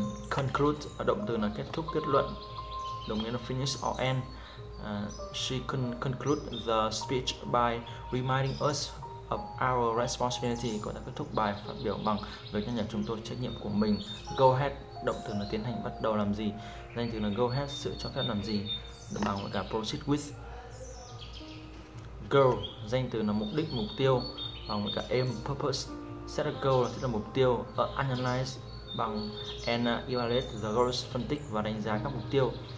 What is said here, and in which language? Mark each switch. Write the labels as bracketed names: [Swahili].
[Vietnamese] Conclude động từ là kết thúc, kết luận, đồng nghĩa là finish or end. [English] She can conclude the speech by reminding us of our responsibility. [Vietnamese] Cô đã kết thúc bài phát biểu bằng lời nhắc nhở chúng tôi trách nhiệm của mình. Go ahead động từ là tiến hành, bắt đầu làm gì. Danh từ là go ahead, sự cho phép làm gì. Đồng bằng cả proceed with. Goal danh từ là mục đích, mục tiêu. Bằng cả aim, purpose. Set a goal là thiết là mục tiêu. Analyze bằng [English] and evaluate the goals, [Vietnamese] phân tích và đánh giá các mục tiêu.